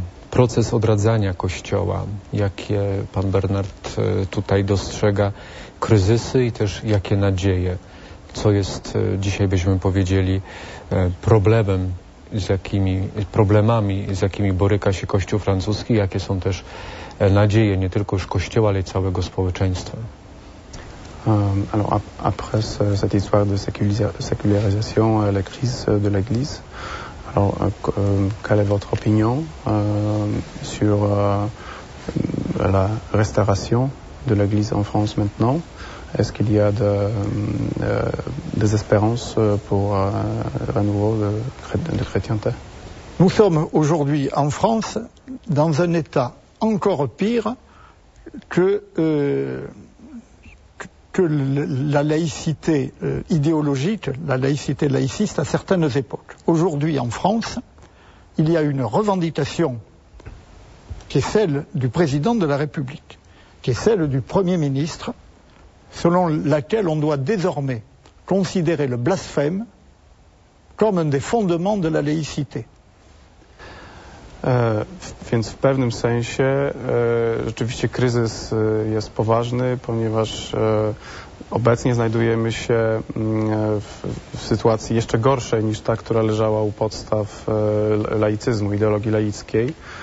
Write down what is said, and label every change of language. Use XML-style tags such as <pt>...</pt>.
<pl>Proces odradzania Kościoła. Jakie pan Bernard tutaj dostrzega kryzysy i też jakie nadzieje? Co jest dzisiaj, byśmy powiedzieli, problemem? Z jakimi problemami, z jakimi boryka się Kościół francuski, jakie są też nadzieje nie tylko już Kościoła, ale i całego społeczeństwa.</pl> <fr>Alors après cette histoire de sécularisation et la crise de l'Église, alors quelle est votre opinion sur la restauration de l'Église en France maintenant? Est-ce qu'il y a des espérances pour le renouveau de chrétienté? Nous sommes aujourd'hui en France dans un état encore pire que la laïcité idéologique, la laïcité laïciste à certaines époques. Aujourd'hui en France, il y a une revendication qui est celle du président de la République, qui est celle du Premier ministre, selon laquelle on doit désormais considérer le blasphème comme un des fondements de la laïcité.</fr> <pl>Więc w pewnym sensie rzeczywiście kryzys jest poważny, ponieważ obecnie znajdujemy się w sytuacji jeszcze gorszej niż ta, która leżała u podstaw laicyzmu, ideologii laickiej.</pl>